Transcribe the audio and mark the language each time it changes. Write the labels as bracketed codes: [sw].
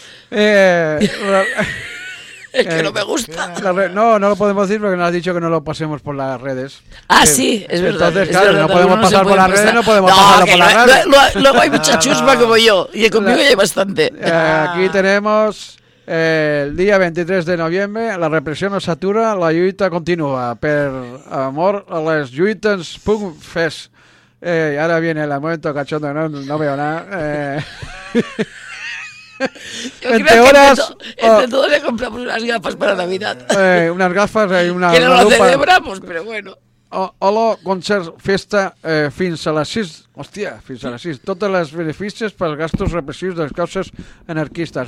[es] es que no me gusta. No lo podemos decir porque nos has dicho que no lo pasemos por las redes. Ah, sí, es verdad. Entonces, es claro, verdad, no podemos pasar por las redes, no podemos pasarlo por las redes. Luego hay mucha chusma como yo, y conmigo ya hay bastante. Aquí tenemos... el día 23 de noviembre [ca] la repressió no s'atura, la lluita continua per amor a les lluites punk fest. [es] Ara viene el momento cachondo, no veo nada. Entre horas entre todos le compramos unas gafas para Navidad. Unas gafas y una que no lo lupa. Celebramos, pero bueno. [ca] Hola, concert, festa, fins a les 6, hòstia, fins a les 6, totes les beneficis pels gastos repressius dels causes anarquistes.